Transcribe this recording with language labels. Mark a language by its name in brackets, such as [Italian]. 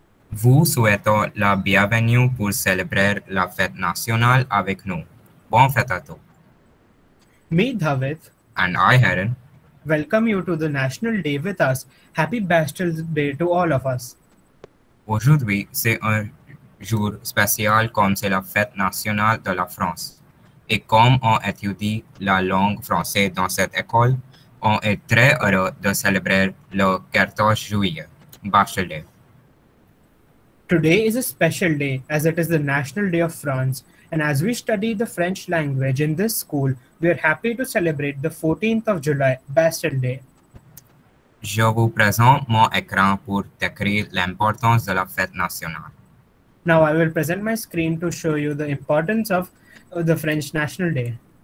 [French] Vous souhaitez la bienvenue pour célébrer la fête nationale avec nous. Bonne fête à tous. [English] Me, David. And I, Heron. Welcome you to the National Day with us. Happy Bastille Day to all of us. [French] Aujourd'hui, c'est un jour spécial comme c'est la fête nationale de la France. Et comme on étudie la langue française dans cette école, on est très heureux de célébrer le 14 juillet, Bachelet. [English] Today is a special day as it is the National Day of France. And as we study the French language in this school, we are happy to celebrate the 14th of July, Bastille Day. [French] Je vous présente mon écran pour décrire l'importance de la fête nationale. [English] Now I will present my screen to show you the importance of the French National Day.